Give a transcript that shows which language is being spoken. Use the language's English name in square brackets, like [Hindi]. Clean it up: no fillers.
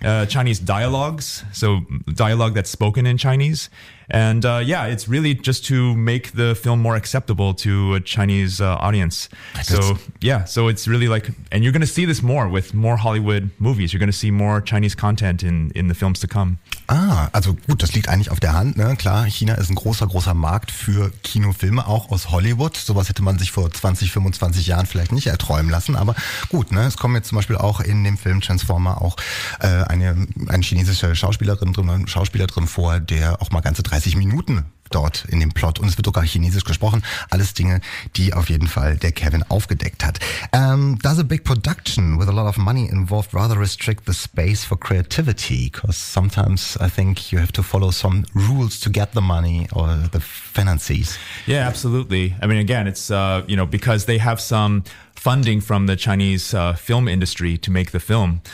[English] Chinese dialogues, so dialogue that's spoken in Chinese. And it's really just to make the film more acceptable to a Chinese audience. So it's really like, and you're going to see this more with more Hollywood movies. You're going to see more Chinese content in the films to come. [German] Ah, also gut, das liegt eigentlich auf der Hand, ne? Klar, China ist ein großer Markt für Kinofilme, auch aus Hollywood. Sowas hätte man sich vor 20, 25 Jahren vielleicht nicht erträumen lassen. Aber gut, ne? Es kommen jetzt zum Beispiel auch in dem Film Transformer auch eine chinesische Schauspielerin drin, ein Schauspieler drin vor, der auch mal ganze 30 Minuten dort in dem Plot, und es wird sogar chinesisch gesprochen, alles Dinge, die auf jeden Fall der Kevin aufgedeckt hat. [English] Does a big production with a lot of money involved rather restrict the space for creativity? Because sometimes I think you have to follow some rules to get the money or the finances. Yeah, absolutely. I mean, again, it's, because they have some funding from the Chinese film industry to make the film.